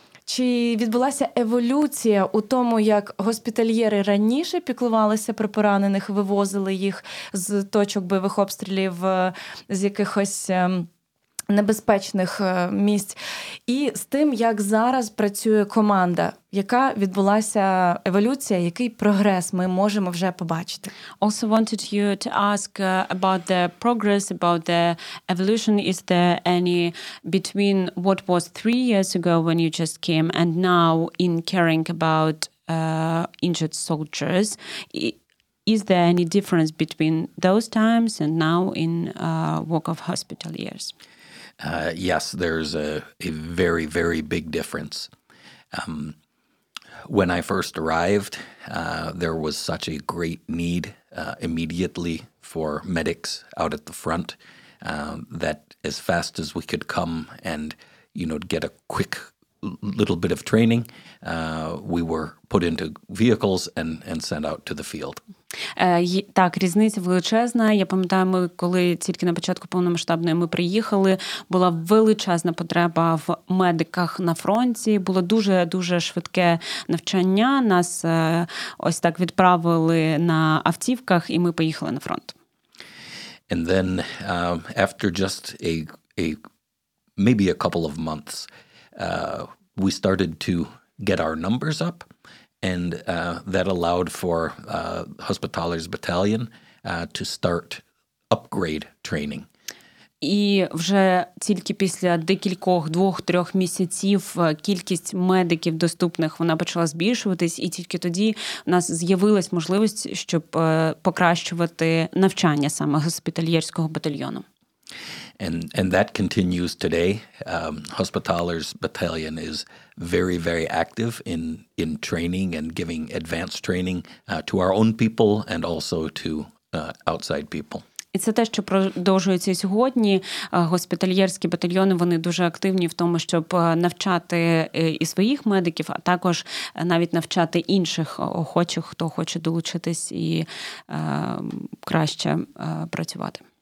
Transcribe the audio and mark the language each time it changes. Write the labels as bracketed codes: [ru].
[uk] Чи відбулася еволюція у тому, як госпітальєри раніше піклувалися про поранених, вивозили їх з точок бойових обстрілів, з якихось небезпечних місць, і з тим, як зараз працює команда, яка відбулася еволюція, який прогрес ми можемо вже побачити. [en] Also wanted you to ask about the progress, about the evolution. Is there any between what was 3 years ago when you just came and now in caring about injured soldiers? Is there any difference between those times and now in work of hospital years? Yes, there's a very, very big difference. When I first arrived, there was such a great need immediately for medics out at the front that as fast as we could come and, you know, get a quick little bit of training, we were put into vehicles and sent out to the field. [uk] Так, різниця величезна. Я пам'ятаю, ми коли тільки на початку повномасштабної ми приїхали, була величезна потреба в медиках на фронті. Було дуже-дуже швидке навчання. Нас ось так відправили на автівках, і ми поїхали на фронт. [en] And then after just a maybe a couple of months, we started to get our numbers up. And that allowed for Hospitallers Battalion to start upgrade training. [uk] І вже тільки після декількох, 2-3 місяців кількість медиків доступних, вона почала збільшуватись, і тільки тоді у нас з'явилась можливість, щоб покращувати навчання саме госпітальєрського батальйону. [en] And that continues today. Hospitallers Battalion is very, very active in training and giving advanced training to our own people and also to outside people. [uk] І це те, що продовжується сьогодні. Госпітальєрські батальйони, вони дуже активні в тому, щоб навчати і своїх медиків, а також навіть навчати інших охочих, хто хоче долучитись і краще працювати.